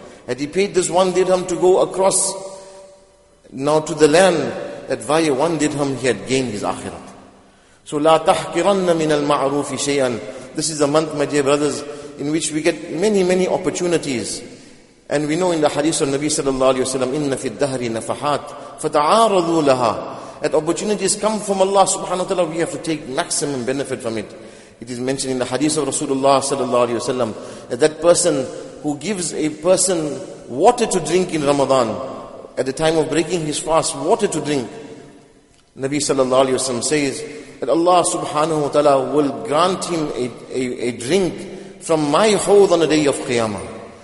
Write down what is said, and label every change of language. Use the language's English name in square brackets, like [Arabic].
[English] Had he paid this one dirham to go across now to the land, that via one dirham he had gained his akhirah. [Arabic] So لا تحكرن من المعروف شيئا. [English] This is a month, my dear brothers, in which we get many, many opportunities. And we know in the hadith of Nabi sallallahu alayhi wa sallam, [Arabic] إِنَّ فِي الدَّهْرِ نَفَحَاتِ فَتَعَارَضُوا لَهَا. [English] That opportunities come from Allah subhanahu wa ta'ala, we have to take maximum benefit from it. It is mentioned in the hadith of Rasulullah sallallahu alayhi wa sallam, that person who gives a person water to drink in Ramadan, at the time of breaking his fast, water to drink, Nabi sallallahu alayhi wa sallam says that Allah subhanahu wa ta'ala will grant him a drink from my hold on the day of Qiyamah.